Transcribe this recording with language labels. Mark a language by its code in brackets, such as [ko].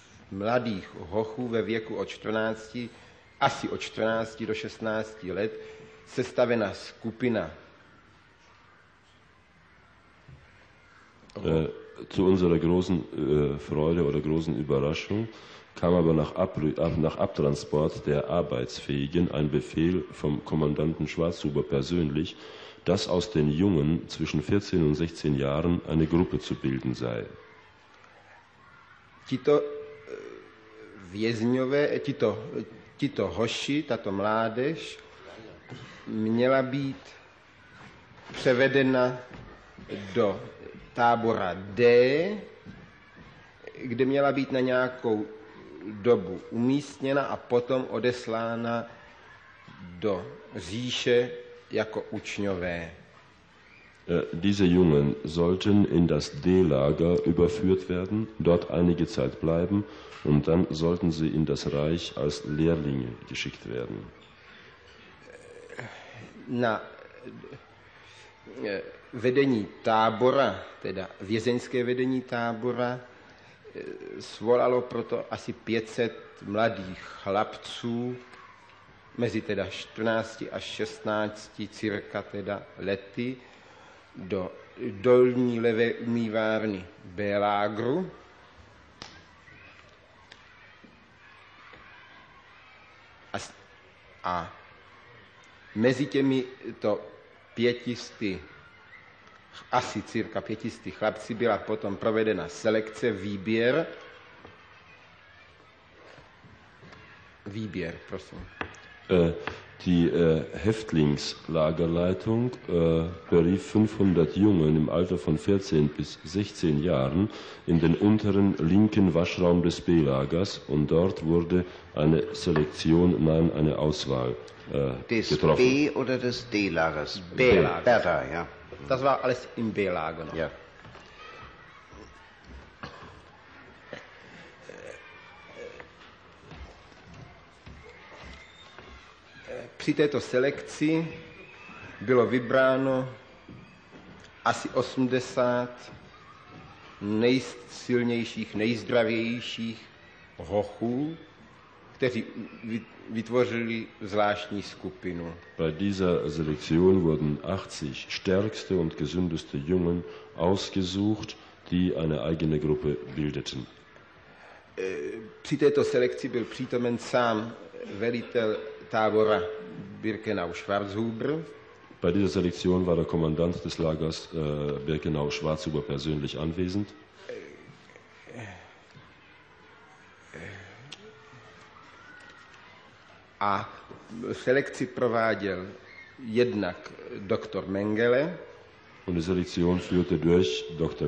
[cs] mladých hochů ve věku od 14, asi od 14 do 16 let, sestavena skupina. [de] Zu unserer großen Freude oder großen Überraschung kam aber nach Abtransport der Arbeitsfähigen ein Befehl vom Kommandanten Schwarzhuber persönlich, dass aus den Jungen zwischen 14 und 16 Jahren eine Gruppe zu bilden sei. [cs] Vězňové, tito hoši, tato mládež, měla být převedena do tábora D, kde měla být na nějakou dobu umístěna a potom odeslána do říše jako učňové. [de] Diese Jungen sollten in das D-Lager überführt werden, dort einige Zeit bleiben und dann sollten sie in das Reich als Lehrlinge geschickt werden. [cs] Na, vedení tábora, teda vězeňské vedení tábora, svolalo proto asi 500 mladých chlapců mezi teda 14 a 16 cirka teda lety do dolní levé umývárny Belágru. A mezi těmi to 500 asi cirka 500 chlapci byla potom provedena selekce, výběr, prosím. [de] Die Häftlingslagerleitung berief 500 Jungen im Alter von 14 bis 16 Jahren in den unteren linken Waschraum des B-Lagers und dort wurde eine Selektion, nein, eine Auswahl getroffen. Des B- oder des D-Lagers? B-Lager. Ja. Das war alles im B-Lager noch. Ja. [cs] Při této selekci bylo vybráno asi 80 nejsilnějších, nejzdravějších hochů, kteří vytvořili zvláštní skupinu. [de] Bei dieser Selektion wurden 80 stärkste und gesündeste Jungen ausgesucht, die eine eigene Gruppe bildeten. [cs] Při této selekci byl přítomen sám velitel tábora Birkenau-Schwarzhuber. [de] Bei dieser Selektion war der Kommandant des Lagers Birkenau-Schwarzhuber persönlich anwesend. [cs] A selekci prováděl jednak Dr. Mengele. [de] Und die Selektion führte durch Dr.